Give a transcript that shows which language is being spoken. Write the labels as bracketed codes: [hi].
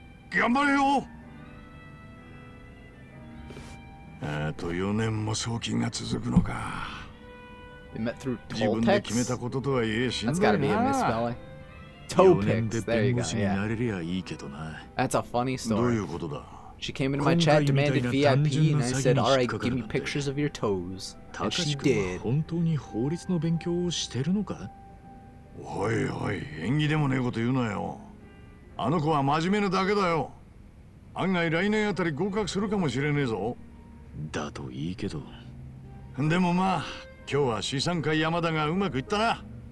[ja] 頑張れよ。あと4年も送金が続くのか。自分で決めたこととはいえ、しんどいな。 4年で弁護士になれりゃいいけどな。 [en] That's a funny story. [ja] どういうことだ？ [en] She came into my chat, demanded VIP, and I said, all right, give me pictures of your toes. And she did. [ja] 本当に法律の勉強をしてるのか？おいおい、縁起でもねえこと言うなよ。あの子は真面目なだけだよ。案外来年あたり合格するかもしれねえぞ。だといいけど。でもまあ、今日は資産家山田がうまくいったな。